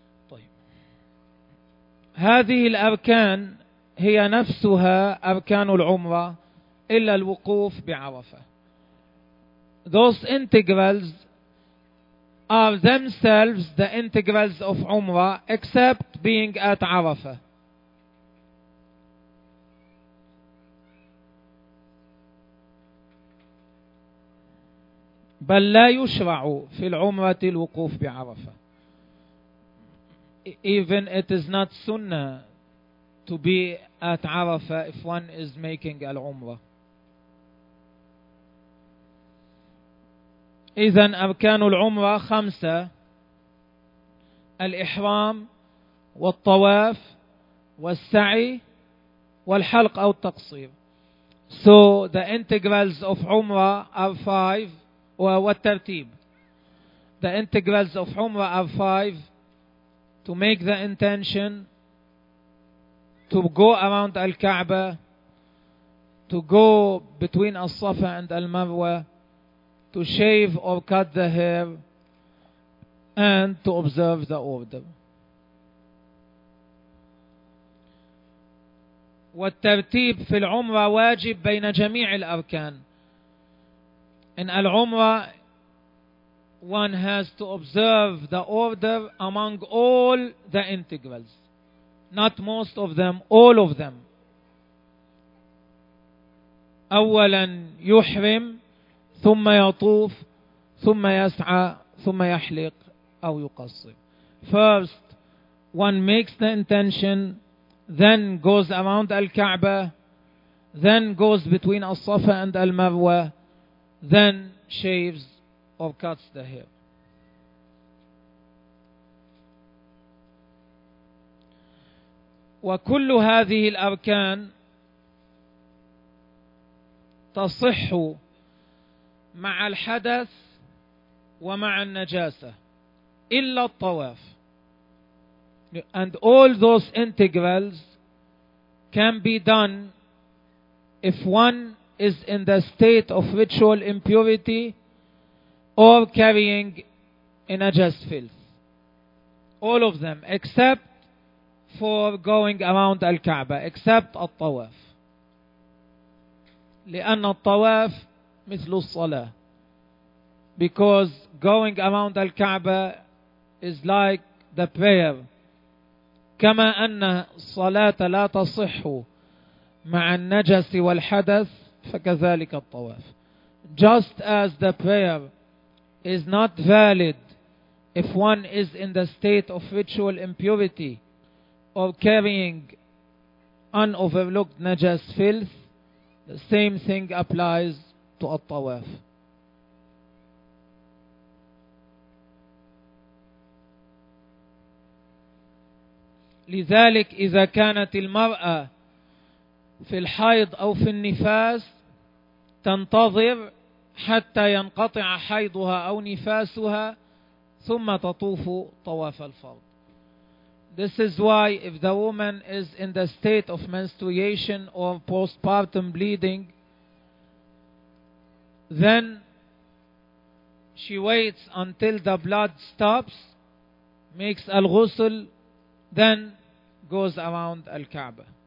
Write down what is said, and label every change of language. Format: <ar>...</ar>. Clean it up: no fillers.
<ar>طيب هذه الأركان هي نفسها أركان العمرة إلا الوقوف بعرفة.</ar> <en>Those integrals are themselves the integrals of Umrah except being at Arafah.</en> <ar>بل لا يشرع في العمرة الوقوف بعرفة.</ar> <en>Even it is not sunnah to be at Arafah if one is making al-umrah.</en> <ar>إذن أركان العمرة خمسة: الإحرام والطواف والسعي والحلق أو التقصير.</ar> <en>So the integrals of Umrah are five.</en> <ar>والترتيب.</ar> <en>The integrals of Umrah are five: to make the intention, to go around Al-Kaaba, to go between Al-Safa and Al-Marwa, to shave or cut the hair, and to observe the order.</en> <ar>والترتيب في العمرة واجب بين جميع الأركان.</ar> <en>In al-umra, one has to observe the order among all the integrals. Not most of them, all of them.</en> <ar>أولا يحرم ثم يطوف ثم يسعى ثم يحلق أو يقصر.</ar> <en>First, one makes the intention, then goes around Al-Kaaba, then goes between Al-Safa and Al-Marwa, then shaves or cuts the hair.</en> <ar>وكل هذه الأركان تصح مع الحدث ومع النجاسة إلا الطواف.</ar> <en>And all those integrals can be done if one is in the state of ritual impurity or carrying a najas filth. All of them except for going around Al-Kaaba, except Al-Tawaf.</en> <ar>لأن الطواف مثل الصلاة.</ar> <en>Because going around Al-Kaaba is like the prayer.</en> <ar>كما أن الصلاة لا تصح مع النجس والحدث فكذلك الطواف.</ar> <en>Just as the prayer is not valid if one is in the state of ritual impurity or carrying unoverlooked najas filth, the same thing applies to al-tawaf.</en> <ar>لذلك إذا كانت المرأة في الحيض أو في النفاس تنتظر حتى ينقطع حيضها أو نفاسها ثم تطوف طواف الفرض.</ar> <en>This is why if the woman is in the state of menstruation or postpartum bleeding, then she waits until the blood stops, makes al-ghusl, then goes around Al-Kaaba.</en>